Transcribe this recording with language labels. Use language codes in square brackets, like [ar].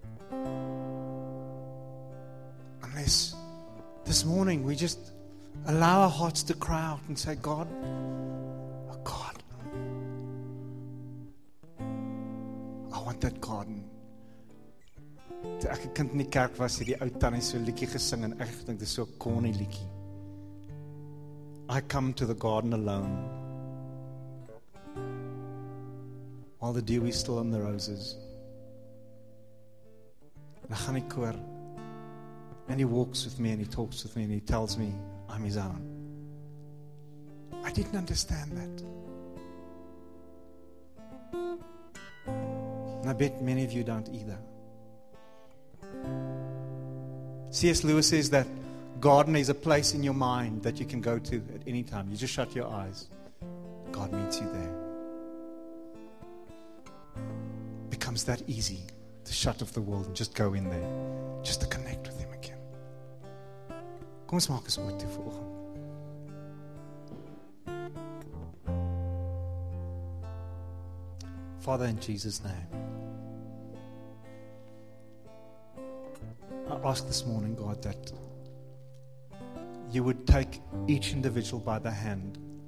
[en] Unless this morning we just allow our hearts to cry out and say, God, oh God, I want that garden. [af] Toe ek 'n kind in die kerk was, het die ou tannie so 'n liedjie gesing en ek dink dit is so 'n corny liedjie. [en] I come to the garden alone. While the dew is still on the roses. [af] En gaan die koor. [en] And he walks with me and he talks with me and he tells me I'm his own. I didn't understand that. And I bet many of you don't either. C.S. Lewis says that garden is a place in your mind that you can go to at any time. You just shut your eyes. God meets you there. Becomes that easy to shut off the world and just go in there, just to connect with Him again. [af] Kom ons maak ons oop toe vir oggend. [en] Father, in Jesus' name, I ask this morning, God, that You would take each individual by the hand.